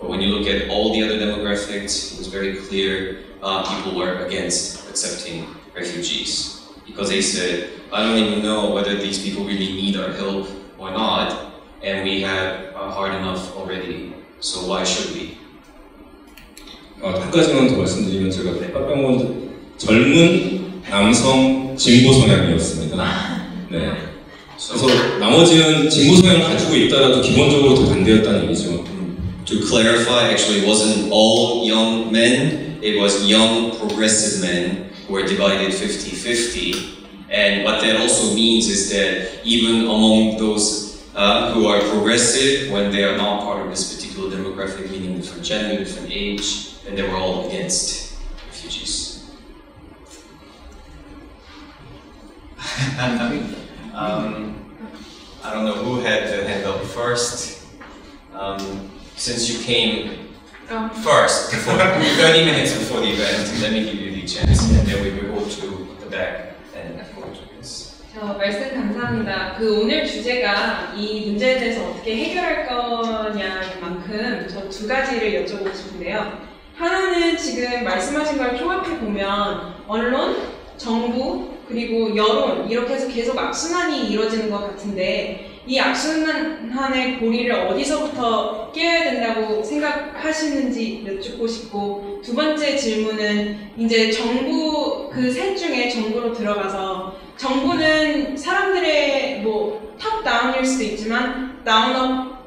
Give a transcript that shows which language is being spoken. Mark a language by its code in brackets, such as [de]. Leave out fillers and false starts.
[en] But when you look at all the other demographics, it was very clear people were against accepting refugees. Because they said, I don't even know whether these people really need our help or not, and we have hard enough already, so why should we? [ko] 한 가지만 더 말씀드리면 제가 빡빡한 건 젊은 남성 진보 성향이었습니다. 네. 그래서 나머지는 진보 성향을 가지고 있다라도 기본적으로 다 반대였다는 얘기죠. [en] To clarify, actually it wasn't all young men, it was young progressive men were divided 50-50, and what that also means is that even among those who are progressive, when they are not part of this particular demographic, meaning different gender, different age, then they were all against refugees. And I mean, I don't know who had the hand up first, since you came first, before 30 minutes before the event, let me give you the chance, and then we will go to the back and go to this. [ko] 저 말씀 감사합니다. 그 오늘 주제가 이 문제에 대해서 어떻게 해결할 거냐만큼 저 두 가지를 여쭤보고 싶은데요. 하나는 지금 말씀하신 걸 종합해 보면 언론, 정부, 그리고 여론 이렇게 해서 계속 악순환이 이루어지는 것 같은데 이 악순환의 고리를 어디서부터 깨야 된다고 생각하시는지 여쭙고 싶고 두 번째 질문은 이제 정부 그 셋 중에 정부로 들어가서 정부는 사람들의 뭐 탑다운일 수도 있지만 다운업